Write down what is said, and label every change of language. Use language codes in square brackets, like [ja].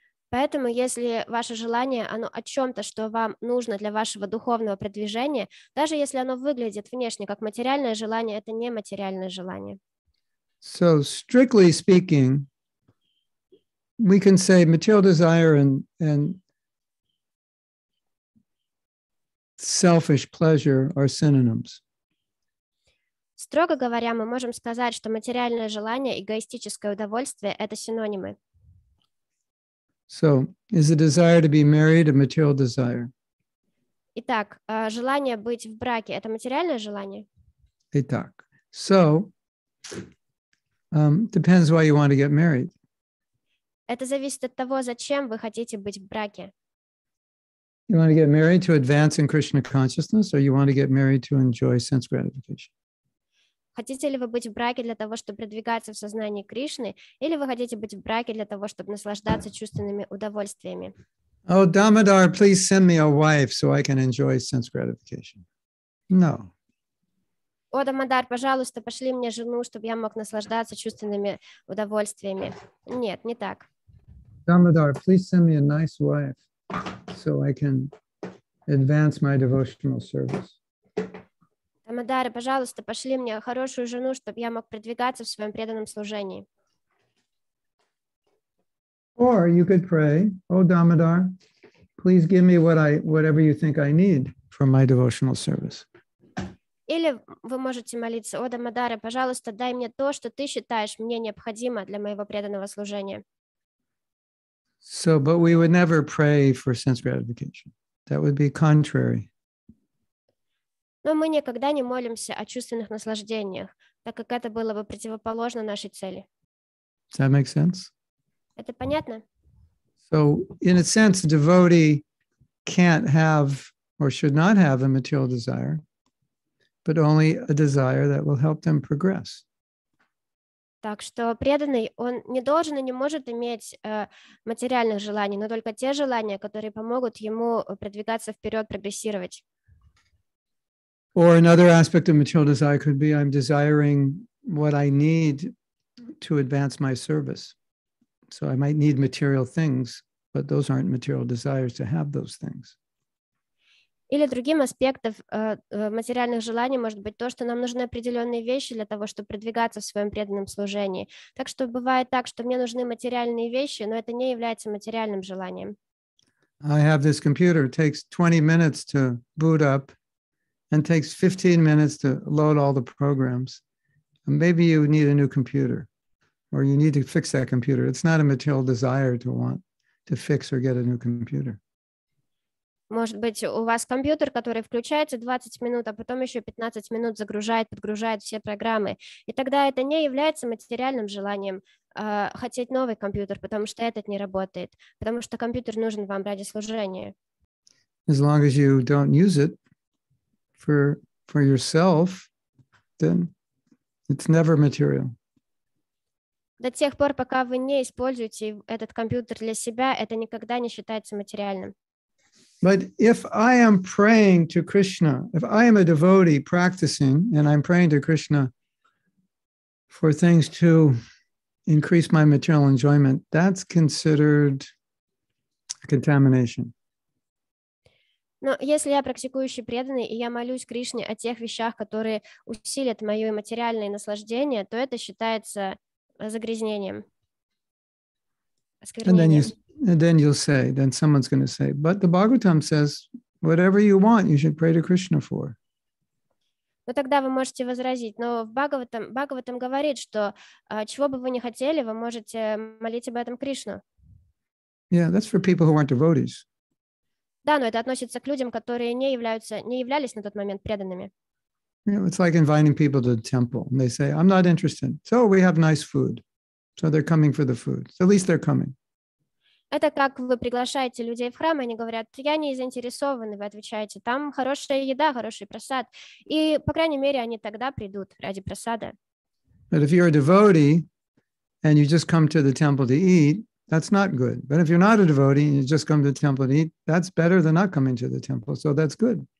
[ru] Поэтому если ваше желание, оно о чем-то, что вам нужно для вашего духовного продвижения, даже если оно выглядит внешне как материальное желание, это не материальное желание. [en] So strictly speaking, we can say material desire and selfish pleasure are synonyms. [ru] Строго говоря, мы можем сказать, что материальное желание и эгоистическое удовольствие – это синонимы. [en] So, is the desire to be married a material desire? [ru] Итак, желание быть в браке – это материальное желание? Итак, [en] so, depends why you want to get married. [ru] Это зависит от того, зачем вы хотите быть в браке. [en] You want to get married to advance in Krishna consciousness, or you want to get married to enjoy sense gratification? [ru] Хотите ли вы быть в браке для того, чтобы продвигаться в сознании Кришны, или вы хотите быть в браке для того, чтобы наслаждаться чувственными удовольствиями? [en] Oh, Damodar, please send me a wife so I can enjoy sense gratification. No. [ru] О, Дамодар, пожалуйста, пошли мне жену, чтобы я мог наслаждаться чувственными удовольствиями. Нет, не так. [en] Дамодар, please send me a nice wife so I can advance my devotional service. [ru] Дамодар, пожалуйста, пошли мне хорошую жену, чтобы я мог продвигаться в своем преданном служении. [en] Or you could pray, oh, Дамодар, please give me whatever you think I need for my devotional service. [ru] Или вы можете молиться: «О, Дамодара, пожалуйста, дай мне то, что ты считаешь мне необходимо для моего преданного служения». [en] So, but we would never pray for sense gratification. That would be contrary. [ru] Но мы никогда не молимся о чувственных наслаждениях, так как это было бы противоположно нашей цели. [en] Does that make sense? [ru] Это понятно? [en] So, in a sense, a devotee can't have or should not have a material desire, but only a desire that will help them progress. [ru] Так что преданный, он не должен и не может иметь материальных желаний, но только те желания, которые помогут ему продвигаться вперед, прогрессировать. [en] Or another aspect of material desire could be I'm desiring what I need to advance my service. So I might need material things, but those aren't material desires to have those things. [ru] Или другим аспектом материальных желаний может быть то, что нам нужны определенные вещи для того, чтобы продвигаться в своем преданном служении. Так что бывает так, что мне нужны материальные вещи, но это не является материальным желанием. [en] I have this computer. It takes 20 minutes to boot up and takes 15 minutes to load all the programs. Maybe you need a new computer or you need to fix that computer. It's not a material desire to want to fix or get a new computer. [ru] Может быть, у вас компьютер, который включается 20 минут, а потом еще 15 минут загружает, подгружает все программы. И тогда это не является материальным желанием хотеть новый компьютер, потому что этот не работает, потому что компьютер нужен вам ради служения. [en] As long as you don't use it for yourself, then it's never material. [ru] До тех пор, пока вы не используете этот компьютер для себя, это никогда не считается материальным. [en] But if I am praying to Krishna, if I am a devotee practicing and I'm praying to Krishna for things to increase my material enjoyment, that's considered contamination. [ru] Но если я практикующий преданный и я молюсь Кришне о тех вещах, которые усилят мое материальное наслаждение, то это считается загрязнением. [en] And then someone's going to say, but the Bhagavatam says, whatever you want, you should pray to Krishna for. [ru] Но тогда вы можете возразить, но в Бхагаватам говорит, что чего бы вы ни хотели, вы можете молить об этом Кришну. [en] Yeah, that's for people who aren't devotees. [ru] Да, но это относится к людям, которые не являлись на тот момент преданными. [en] Yeah, it's like inviting people to the temple, and they say, I'm not interested. So we have nice food. So they're coming for the food. So at least they're coming. [ru] Это как вы приглашаете людей в храм, они говорят, я не заинтересован, и вы отвечаете, там хорошая еда, хороший просад. И, по крайней мере, они тогда придут ради просада. [en] But if you're a devotee, and you just come to the temple to eat, that's not good. But if you're not a devotee, and you just come to the temple to eat, that's better than not coming to the temple, so that's good.